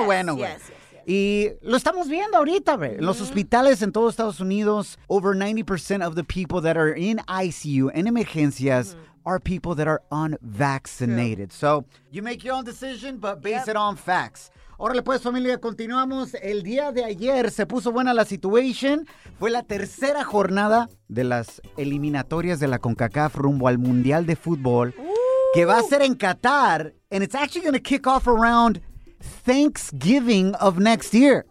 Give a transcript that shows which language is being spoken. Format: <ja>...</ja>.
<es>lo bueno, güey.</es> <en>Yes, yes.</en> <es>Y lo estamos viendo ahorita, güey. Mm-hmm. Los hospitales en todos Estados Unidos,</es> <en>over 90% of the people that are in ICU,</en> <es>en emergencias, mm-hmm.</es> <en>are people that are unvaccinated. True. So, you make your own decision, but base yep. it on facts.</en> <es>Órale pues, familia, continuamos. El día de ayer se puso buena la situation. Fue la tercera jornada de las eliminatorias de la CONCACAF rumbo al Mundial de Fútbol. Ooh. Que va a ser en Qatar.</es> <en>And it's actually going to kick off around Thanksgiving of next year.</en>